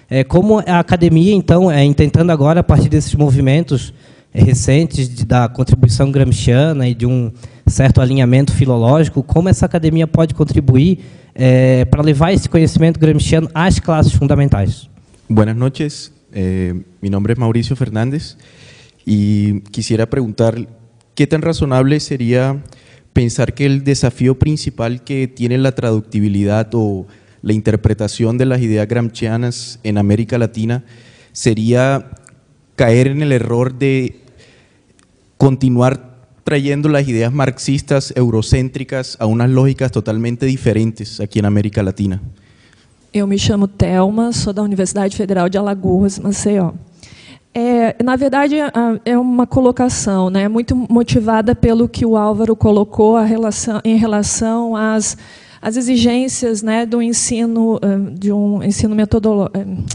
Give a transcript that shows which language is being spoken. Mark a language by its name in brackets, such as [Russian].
[Portuguese] Como a academia, então, intentando agora, a partir desses movimentos recentes da contribuição gramsciana e de um certo alinhamento filológico, como essa academia pode contribuir para levar esse conhecimento gramsciano às classes fundamentais? [Spanish] Buenas noches. Mi nombre es Mauricio Fernández y quisiera preguntar qué tan razonable sería pensar que el desafío principal que tiene la traductibilidad o la interpretación de las ideas gramscianas en América Latina sería caer en el error de continuar trayendo las ideas marxistas, eurocéntricas, a unas lógicas totalmente diferentes aquí en América Latina. [Portuguese] Eu me chamo Thelma, sou da Universidade Federal de Alagoas, Maceió. Na verdade, é uma colocação, né, muito motivada pelo que o Álvaro colocou a relação, em relação às exigências, né, do ensino, de um ensino metodológico.